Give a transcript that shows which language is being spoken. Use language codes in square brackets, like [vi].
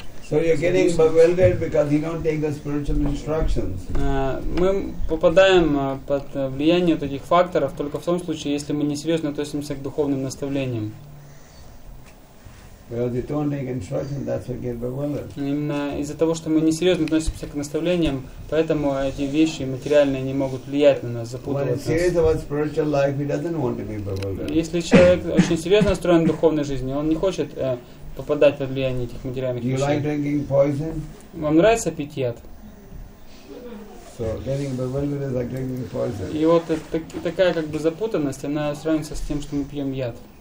[en] getting bewildered because you don't take the spiritual instructions. [ru] Мы попадаем под влияние вот этих факторов только в том случае, если мы не серьезно относимся к духовным наставлениям. [en] Because you don't take instructions, that's what gets bewildered. [ru] Именно из-за того, что мы несерьезно относимся к наставлениям, поэтому эти вещи материальные не могут влиять на нас, запутывать нас. [en] When he's serious about spiritual life, he doesn't want to be bewildered. [ru] Если человек очень серьезно настроен в духовной жизни, он не хочет попадать под влияние этих материальных вещей. [en] Do you like drinking poison? [ru] Вам нравится пить яд? [en] So getting bewildered is like drinking poison. [ru] И вот такая как бы запутанность, она сравнится с тем, что мы пьем яд.